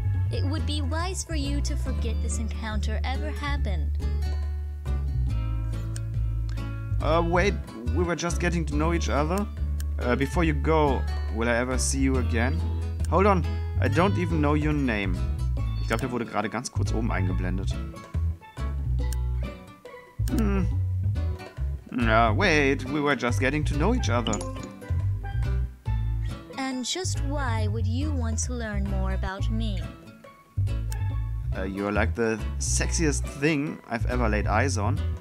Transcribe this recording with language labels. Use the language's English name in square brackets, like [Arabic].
[English] It would be wise for you to forget this encounter ever happened. Wait. We were just getting to know each other. Before you go, will I ever see you again? Hold on. I don't even know your name. [German] Ich glaube, der wurde gerade ganz kurz oben eingeblendet. [English] Wait, we were just getting to know each other. And just why would you want to learn more about me? You're like the sexiest thing I've ever laid eyes on.